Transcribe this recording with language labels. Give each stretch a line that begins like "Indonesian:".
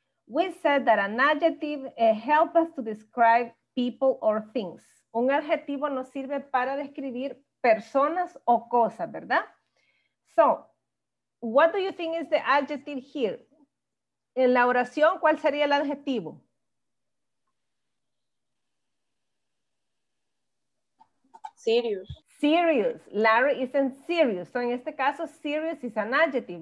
English: We said that an adjective helps us to describe people or things.
Spanish: Un adjetivo nos sirve para describir personas o cosas, ¿verdad?
English: So, what do you think is the adjective here?
Spanish: En la oración, ¿cuál sería el adjetivo?
English: Serious. Serious. Larry isn't serious. So,
Spanish: en este caso,
English: serious is an adjective.